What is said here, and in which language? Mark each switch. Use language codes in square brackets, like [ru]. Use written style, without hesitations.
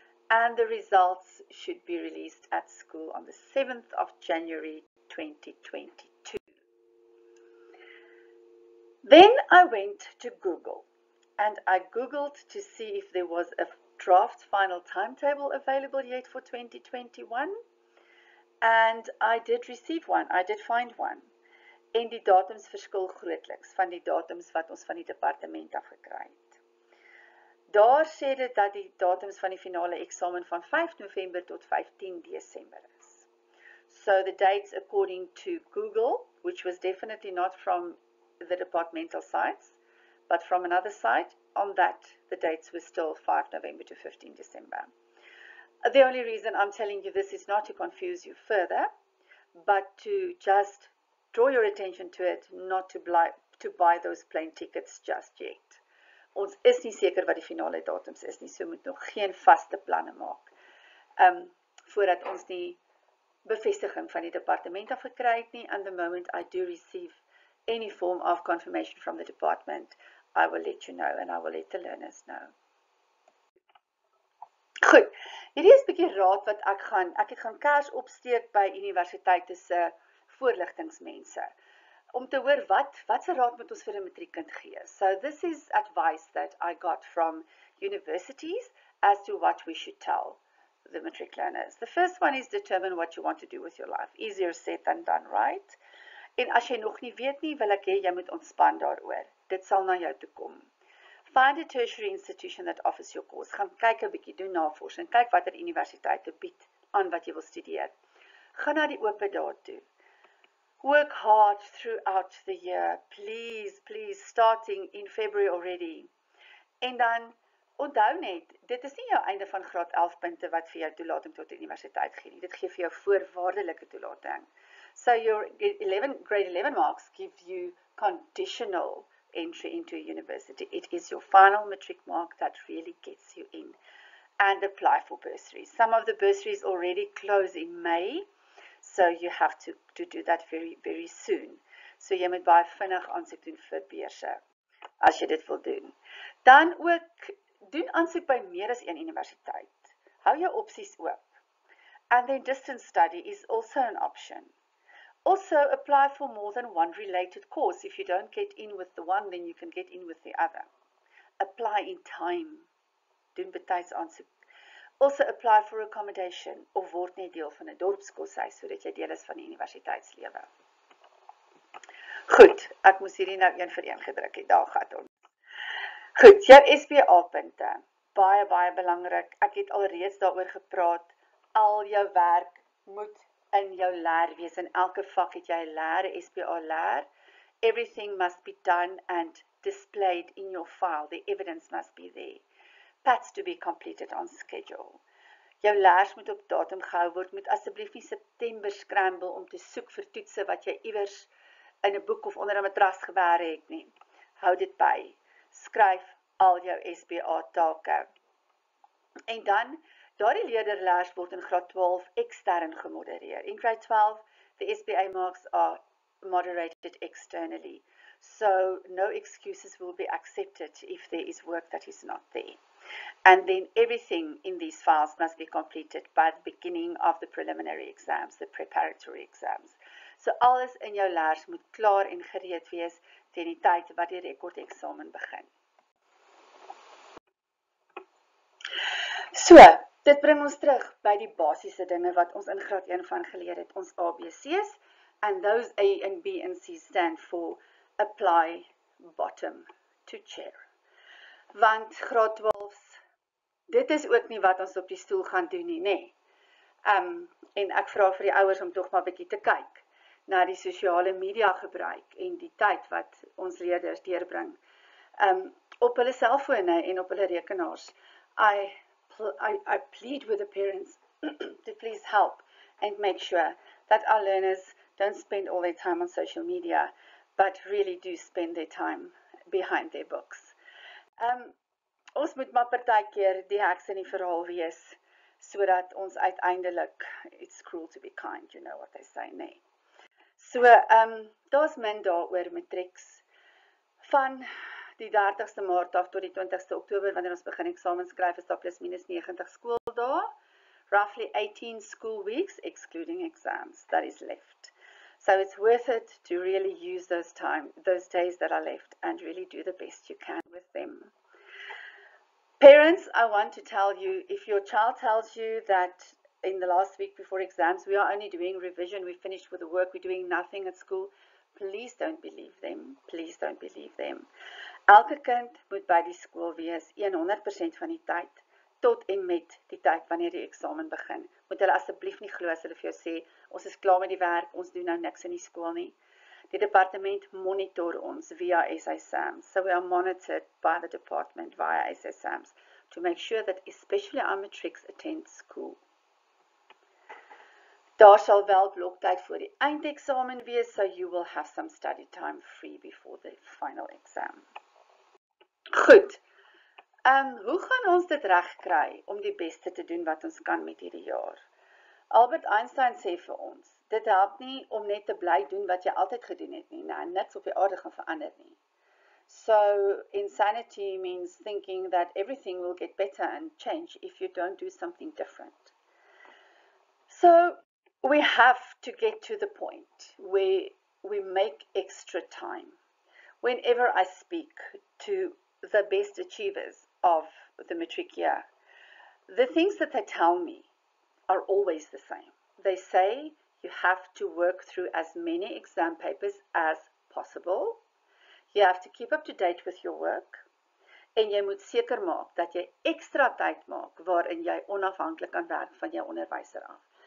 [en] And the results should be released at school on the 7th of January 2022. Then I went to Google, and I Googled to see if there was a draft final timetable available yet for 2021, and I did receive one. I did find one. [af] En die datums verskil grootliks van die datums wat ons van die departement af gekry het. Daar sê dit dat die datums van die finale eksamen van 5 November tot 15 Desember is. [en] So the dates according to Google, which was definitely not from the departmental sites, but from another site, on that, the dates were still 5 November to 15 December. The only reason I'm telling you this is not to confuse you further, but to just draw your attention to it, not to buy those plane tickets just yet. [af] Ons is nie seker wat die finale datums is nie, so moet nog geen vaste planne maak, voordat ons die bevestiging van die departement af gekry het nie. [en] And the moment I do receive any form of confirmation from the department, I will let you know and I will let the learners know. [af] Goed, hierdie is 'n bietjie raad wat ek het gaan kers opsteek by universiteite se voorligtingmense om te hoor wat se raad moet ons vir 'n matriekkind gee. [en] So this is advice that I got from universities as to what we should tell the matric learners. The first one is determine what you want to do with your life. Easier said than done, right? [af] En as jy nog nie weet nie, wil ek hê jy moet ontspan daaroor. Dit sal na jou toe kom. [en] Find a tertiary institution that offers your course. [af] Gaan kyk 'n bietjie, doen navorsing, kyk watter universiteit bied aan wat jy wil studeer. Gaan na die open dae toe. [en] Work hard throughout the year. Please, please, starting in February already. [af] En dan onthou net, dit is nie jou einde van graad 11 punte wat vir jou toelating tot die universiteit gee nie. Dit gee vir jou voorwaardelike toelating. [en] So your grade 11 marks give you conditional entry into a university. It is your final matric mark that really gets you in, and apply for bursaries. Some of the bursaries already close in May, so you have to do that very, very soon. [af] So jy moet baie vinnig aansoek doen vir beurse as jy dit wil doen. Dan ook doen aansoek by meer as een universiteit. Hou jou opsies oop. [en] And then distance study is also an option. Also, apply for more than one related course. If you don't get in with the one, then you can get in with the other. Apply in time. [af] Doen betyds aansoek. [en] Also, apply for accommodation [af] of word net deel van 'n dorpskoshuis sodat jy deel is van die universiteitslewe. Goed, ek moes hierdie nou een vir een gedruk het. Daar gaan ons. Goed, jou SBA punte. Baie baie belangrik. Ek het alreeds daaroor gepraat. Al jou werk moet in jou leer wees. In elke vak het jy leer, SBA leer. [en] Everything must be done and displayed in your file. The evidence must be there. Pats to be completed on schedule. [af] Jou leer moet op datum gehou word. Moet asseblief nie September scramble om te soek vir toetse wat jy iewers in 'n boek of onder 'n matras gewaar het nie. Hou dit by. Skryf al jou SBA take. En dan, daardie leerders word in graad 12 extern gemodereer. [en] In grade 12, the SBA marks are moderated externally. So no excuses will be accepted if there is work that is not there. And then everything in these files must be completed by the beginning of the preliminary exams, the preparatory exams. [af] So alles in jou laers moet klaar en gereed wees teen die tyd wat die rekord eksamen begin. So, dit bring ons terug by die basiese dinge wat ons in graad 1 van geleer het, ons ABC's. [en] And those A and B and C stand for apply bottom to chair. [af] Want graad 12, dit is ook nie wat ons op die stoel gaan doen nie, nê. En ek vra vir die ouers om tog maar 'n bietjie te kyk na die sosiale media gebruik en die tyd wat ons leerders deurbring. Op hulle selfone en op hulle rekenaars. [en] I plead with the parents to please help and make sure that our learners don't spend all their time on social media, but really do spend their time behind their books. [af] Ons moet maar partykeer die heks in die verhaal wees, sodat ons uiteindelik, [en] it's cruel to be kind, you know what they say, [af] nee. So, daar's min daaroor matriek van die 30ste Maart af tot die 20ste Oktober, wanneer ons begin eksamen skryf, is daar plus minus 90 skooldae, [en] roughly 18 school weeks, excluding exams, that is left. So it's worth it to really use those days that are left and really do the best you can with them. Parents, I want to tell you, if your child tells you that in the last week before exams, we are only doing revision, we finished with the work, we're doing nothing at school, please don't believe them. Please don't believe them. [af] Elke kind moet by die skool wees 100% van die tyd tot en met die tyd wanneer die eksamen begin. Moet hulle asseblief nie glo as hulle vir jou sê, ons is klaar met die werk, ons doen nou niks in die skool nie. Die departement monitor ons via SSMs. [en] So we are monitored by the department via SSMs to make sure that especially our matrix attend school. [af] Daar sal wel bloktyd voor die eindeksamen wees, [en] so you will have some study time free before the final exam. [af] Goed. Hoe gaan ons dit reg kry om die beste te doen wat ons kan met hierdie jaar? Albert Einstein sê vir ons, dit help nie om net te bly doen wat jy altyd gedoen het nie, nou niks op die aarde gaan verander nie. [en] So, insanity means thinking that everything will get better and change if you don't do something different. So, we have to get to the point where we make extra time. Whenever I speak to the best achievers of the matric year, the things that they tell me are always the same. They say you have to work through as many exam papers as possible. You have to keep up to date with your work. [af] En jy moet seker maak dat jy ekstra tyd maak waarin jy onafhanklik kan werk van jou onderwyser af.